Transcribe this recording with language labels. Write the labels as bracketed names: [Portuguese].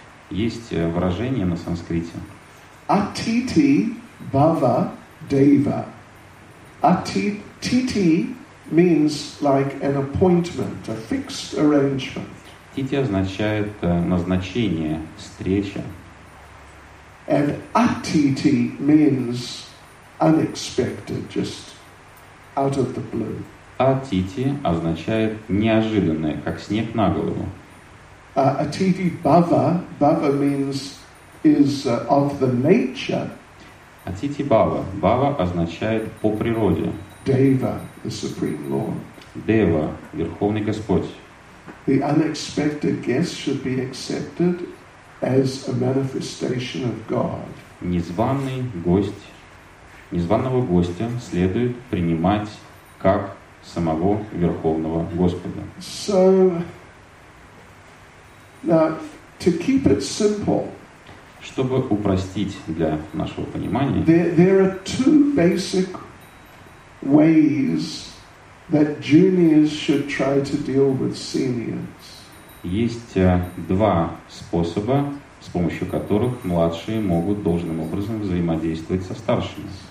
[Russian] Есть выражение на санскрите. [Sanskrit] Atiti bhava deva. [English] Atiti means like an appointment, a fixed arrangement. [Russian] Titi означает назначение, встреча. [English] And atiti means unexpected, just out of the blue. [Russian] Atiti означает неожиданное, как снег на голову. [English] Atiti bhava, bhava means is of the nature. [Russian] Atiti bhava, bhava означает по природе. [English] Deva, the supreme lord. [Russian] Deva, верховный господь. [English] The unexpected guest should be accepted as a manifestation of God. [Russian] Незваный гость. Незваного гостя следует принимать как самого Верховного Господа. [English] So, now, to keep it simple, [Russian] чтобы упростить для нашего понимания, [English] there are two basic ways that juniors should try to deal with seniors. [Russian] Есть два способа, с помощью которых младшие могут должным образом взаимодействовать со старшими.